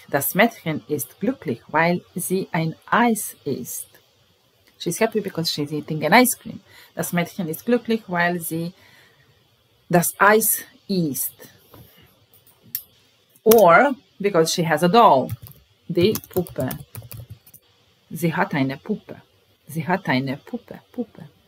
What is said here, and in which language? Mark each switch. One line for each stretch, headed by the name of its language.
German: Das Mädchen ist glücklich, weil sie ein Eis isst.
English: She's happy because she's eating an ice cream.
German: Das Mädchen ist glücklich, weil sie das Eis isst.
English: Or because she has a doll.
German: Die Puppe. Sie hat eine Puppe. Sie hat eine Puppe. Puppe.